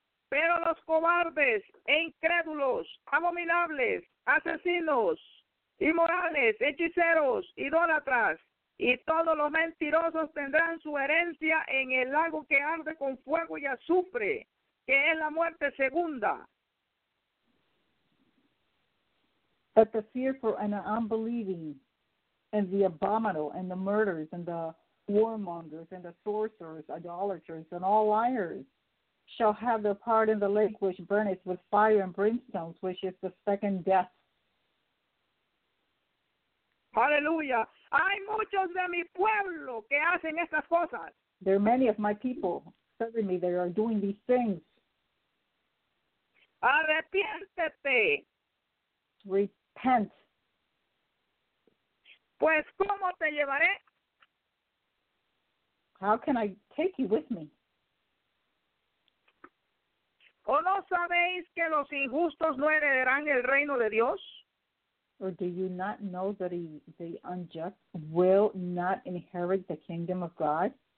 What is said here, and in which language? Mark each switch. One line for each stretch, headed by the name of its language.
Spanish: Pero los cobardes e incrédulos, abominables, asesinos, inmorales, hechiceros, idólatras, y todos los mentirosos tendrán su herencia en el lago que arde con fuego y azufre, que es la muerte segunda.
English: But the fearful and the unbelieving, and the abominable, and the murderers, and the warmongers, and the sorcerers, idolaters, and all liars shall have their part in the lake which burneth with fire and brimstone, which is the second death. Hallelujah.
Spanish: Hay muchos de mi pueblo que hacen estas cosas.
English: There are many of my people serving me that are doing these things.
Spanish: Arrepiéntete.
English: Repent.
Spanish: Pues, ¿cómo te llevaré?
English: How can I take you with me?
Spanish: ¿O no sabéis que los injustos no heredarán el reino de Dios?
English: Or do you not know that the unjust will not inherit the kingdom of God?